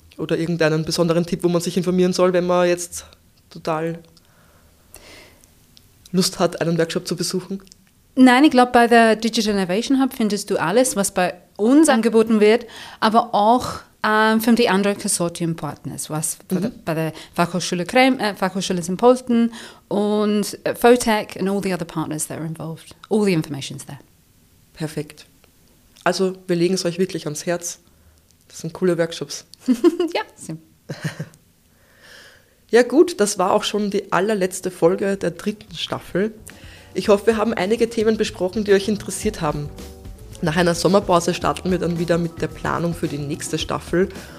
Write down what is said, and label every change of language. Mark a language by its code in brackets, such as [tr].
[de] Oder irgendeinen besonderen Tipp, wo man sich informieren soll, wenn man jetzt total Lust hat, einen Workshop zu besuchen? Nein, ich glaube, bei der Digital Innovation Hub findest du alles, was bei uns angeboten wird, aber auch für die anderen Consortium-Partners, was bei der Fachhochschule Krems, Fachhochschule St. [en] Pölten und FOTEC and all the other partners that are involved. All the information is there. [de] Perfekt. Also, wir legen es euch wirklich ans Herz. Das sind coole Workshops. Ja, ja gut, das war auch schon die allerletzte Folge der dritten Staffel. Ich hoffe, wir haben einige Themen besprochen, die euch interessiert haben. Nach einer Sommerpause starten wir dann wieder mit der Planung für die nächste Staffel.